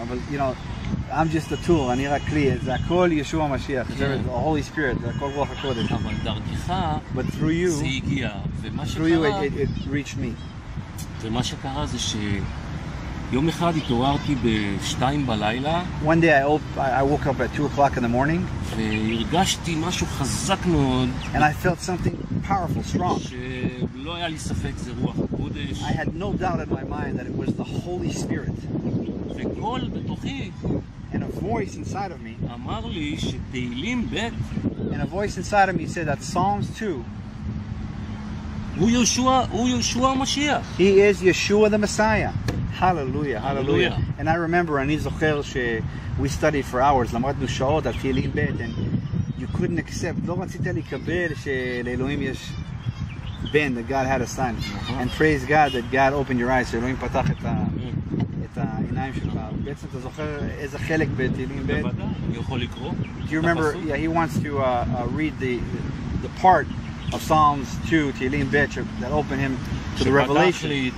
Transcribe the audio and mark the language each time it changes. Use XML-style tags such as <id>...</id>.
<en>But you know, I'm just a tool.</en> <he>אני רק כלי. זה הכל</he> <en>Yeshua HaMashiach. There is the Holy Spirit.</en> <he>זה הכל רוח הקודש. אבל דרכך,</he> <en>but through you,</en> <he>זה הגיע.</he> <en>Through you, it reached me.</en> <he>ומה שקרה זה שיום אחד התעוררתי בשתיים בלילה.</he> <en>One day I woke up at 2:00 in the morning.</en> <he>והרגשתי משהו חזק מאוד.</he> <en>And I felt something powerful, strong.</en> <he>שלא היה לי ספק זה רוח הקודש.</he> <en>I had no doubt in my mind that it was the Holy Spirit.</en> <he>וקול בתוכי.</he> <en>And a voice inside of me.</en> <he>אמר לי שתהילים ב'.</he> <en>And a voice inside of me said that Psalms 2.</en> <he>הוא יהושע המשיח.</he> <en>He is Yeshua the Messiah. Hallelujah, hallelujah. And I remember,</en> <he>אני זוכר ש</he> <en>we studied for hours,</en> <he>למדנו שעות על תהילים בית,</he> <en>and you couldn't accept,</en> <he>לא רצית לקבל שלאלוהים יש בן,</he> <en>that God had a son. And praise God that God opened your eyes,</en> <he>שאלוהים פתח את העיניים שלך. בעצם אתה זוכר איזה חלק בתהילים בית? אני יכול לקרוא.</he> <en>Do you remember, yeah, he wants to read the part of Psalms 2, Tehillim Bet, that opened him to the revelation.</en>